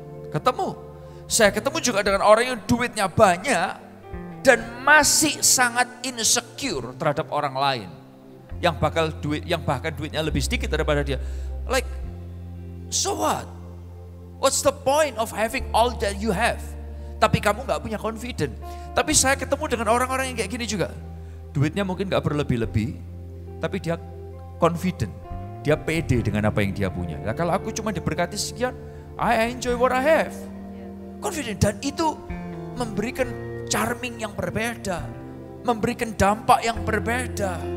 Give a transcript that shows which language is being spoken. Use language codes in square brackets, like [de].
[id] Ketemu, saya ketemu juga dengan orang yang duitnya banyak, dan masih sangat insecure terhadap orang lain yang bakal duit, yang bahkan duitnya lebih sedikit daripada dia. [en] Like, so what? What's the point of having all that you have? [id] Tapi kamu gak punya confident. Tapi saya ketemu dengan orang-orang yang kayak gini juga. Duitnya mungkin gak berlebih-lebih, tapi dia confident. Dia pede dengan apa yang dia punya. Nah, kalau aku cuma diberkati sekian, [en] I enjoy what I have. [id] Confident. Dan itu memberikan charming yang berbeda, memberikan dampak yang berbeda.